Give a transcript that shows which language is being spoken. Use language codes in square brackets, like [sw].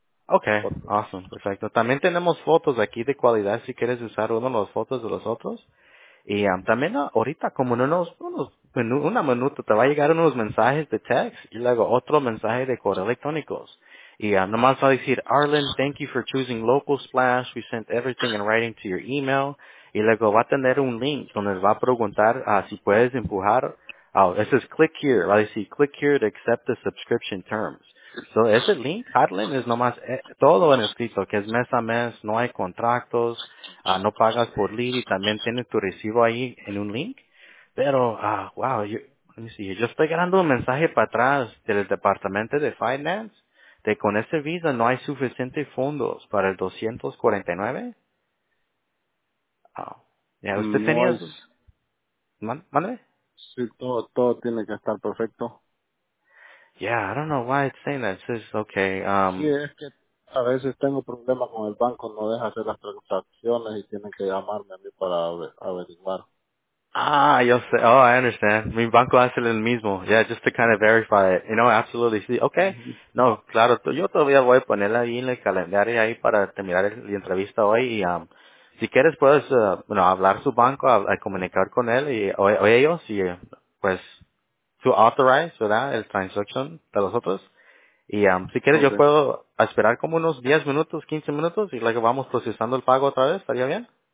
[en] Okay, awesome, perfecto. [es] También tenemos fotos aquí de calidad si quieres usar uno de los fotos de los otros. Y también ahorita, como en una minuto, te va a llegar unos mensajes de text y luego otro mensaje de correo electrónicos. Y nomás va a decir, Arlen, [en] thank you for choosing Local Splash. We sent everything in writing to your email. [es] Y luego va a tener un link donde va a preguntar si puedes empujar. Ese es click here. Va a decir [en] click here to accept the subscription terms. [es] So ese link, Arlen, es nomás todo en escrito, que es mes a mes. No hay contratos. No pagas por lead y también tienes tu recibo ahí en un link. Pero, yo estoy ganando un mensaje para atrás del departamento de finance de con ese visa no hay suficientes fondos para el 249. Ya, ¿usted tenía? ¿Mande? Sí, todo tiene que estar perfecto. [en] Yeah, I don't know why it's saying that. It's just, okay. [es] Sí, es que a veces tengo problemas con el banco, no deja hacer las transacciones y tienen que llamarme a mí para averiguar. Ah, yo sé. [en] Oh, I understand. [es] Mi banco hace el mismo. [en] Yeah, just to kind of verify it. You know, absolutely. [es] Sí. Okay. No, claro. Yo todavía voy a ponerla ahí en el calendario ahí para terminar la entrevista hoy y, si quieres, puedes hablar su banco, a comunicar con él y o ellos y, pues, [en] to authorize, [es] ¿verdad?, el transaction de los otros. Y si quieres, okay. Yo puedo esperar como unos 10 minutos, 15 minutos y luego vamos procesando el pago otra vez. ¿Estaría bien?